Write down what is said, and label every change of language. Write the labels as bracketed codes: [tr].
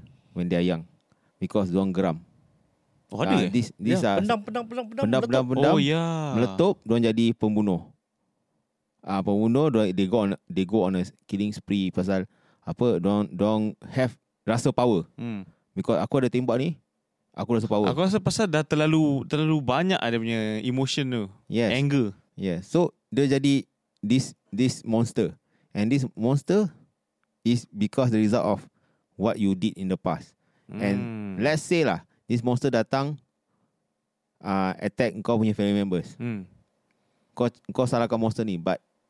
[en] When they are young. Because [ms] diorang geram. Oh, ada? Pendam, [en] oh, yeah. [ms] Meletup, diorang jadi pembunuh. [en] Pembunuh, they go on a killing spree [ms] pasal apa, [en] don't have rasa power. Because [ms] aku ada tembak ni, aku rasa power. Aku rasa pasal dah terlalu banyak ada punya emotion tu. [en] Yes. Anger. Yes. So [ms] dia jadi [en] this monster. And this monster is because the result of what you did in the past. And let's say lah, this monster datang attack kau punya family members. [ms] Kau salahkan monster ni, [en] but